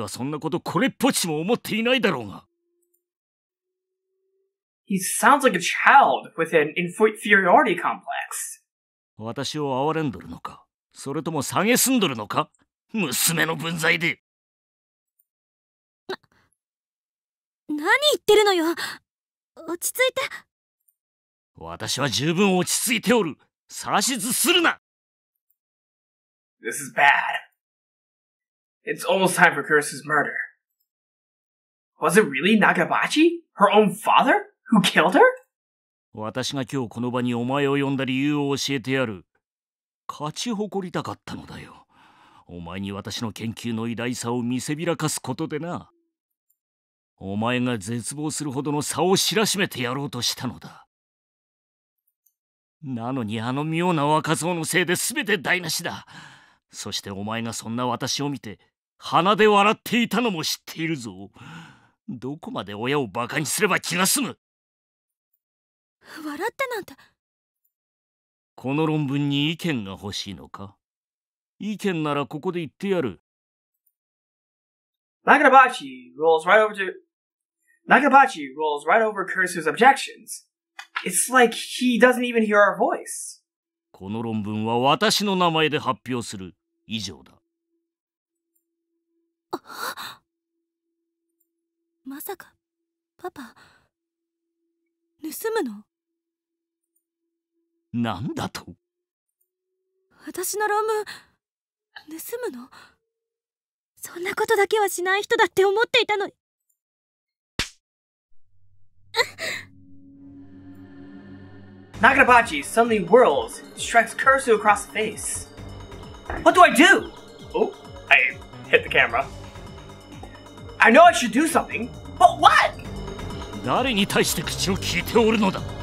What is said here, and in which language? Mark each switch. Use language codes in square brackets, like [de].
[ja] 何が意見が聞きたいだ。何が共同署名だ。本心ではそんなことこれっぽっちも思っていないだろうが。 [en] He sounds like a child with an inferiority complex. [ja] 私を憐れんどるのか、それとも蔑んどるのか? 娘の分際で。何言ってるのよ? 落ち着いて。私は十分落ち着いておる。指図するな。 [en] This is bad. It's almost time for Kurisu's murder. Was it really Nagarabachi, her own father, who killed her? [ja] 私が今日この場にお前を呼んだ理由を教えてやる。勝ち誇りたかったのだよ。お前に私の研究の偉大さを見せびらかすことでな。お前が絶望するほどの差を知らしめてやろうとしたのだ。なのにあの妙な若造のせいで全て台無しだ。そしてお前がそんな私を見て鼻で笑っていたのも知っているぞ。どこまで親をバカにすれば気が済む。笑ったなんて。この論文に意見が欲しいのか。意見ならここで言ってやる。 [en] Nagabachi rolls right over Kurisu's objections. It's like he doesn't even hear our voice. [ja] この論文は私の名前で発表する。以上だ。まさか、パパ、盗むの？なんだと？私の論文、盗むの？そんなことだけはしない人だって思っていたのに。 [en] Nagabachi suddenly whirls, strikes Kurisu across the face. What do I do? Oh, I hit the camera. I know I should do something, but what? [ja] 誰に対して口を聞いておるのだ。